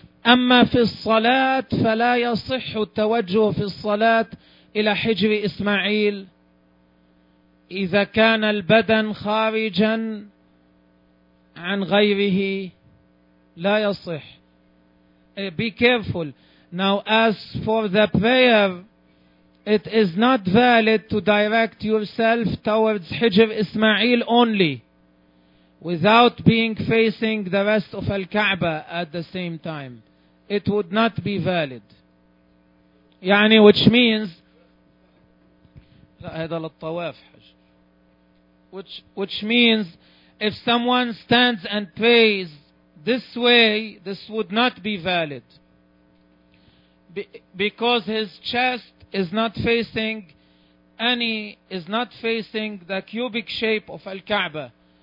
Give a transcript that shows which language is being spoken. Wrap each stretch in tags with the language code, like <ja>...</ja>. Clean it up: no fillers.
<ar>أما في الصلاة فلا يصح التوجه في الصلاة إلى حجر إسماعيل إذا كان البدن خارجا عن غيره لا يصح.</ar> <en>Be careful. Now as for the prayer, it is not valid to direct yourself towards Hijr Ismail only without being facing the rest of Al-Kaaba at the same time. It would not be valid.</en> <ar>يعني</ar> <en>which means</en> <ar>هذا للطواف.</ar> <en>Which means if someone stands and prays this way, this would not be valid. Because his chest is not facing any, is not facing the cubic shape of Al-Kaaba.</en>